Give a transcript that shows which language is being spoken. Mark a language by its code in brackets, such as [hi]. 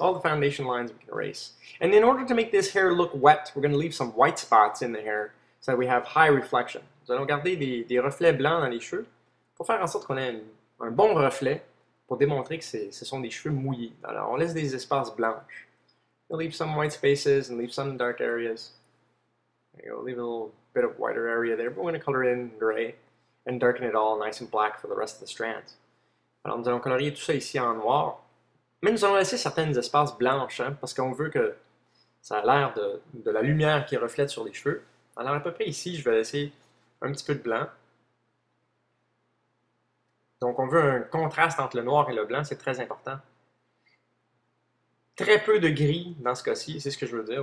[en] All the foundation lines we can erase. And in order to make this hair look wet, we're going to leave some white spots in the hair so that we have high reflection. [fr] Nous allons garder des reflets blancs dans les cheveux pour faire en sorte qu'on ait un bon reflet pour démontrer que ce sont des cheveux mouillés. Alors, on laisse des espaces blancs. [en] We'll leave some white spaces and leave some dark areas. There you go, leave a little bit of whiter area there, but we're going to color it in gray and darken it all nice and black for the rest of the strands. [fr] Alors, nous allons colorier tout ça ici en noir. Mais nous allons laisser certaines espaces blanches, hein, parce qu'on veut que ça a l'air de la lumière qui reflète sur les cheveux. Alors, à peu près ici, je vais laisser un petit peu de blanc. Donc, on veut un contraste entre le noir et le blanc, c'est très important. Très peu de gris dans ce cas-ci, c'est ce que je veux dire.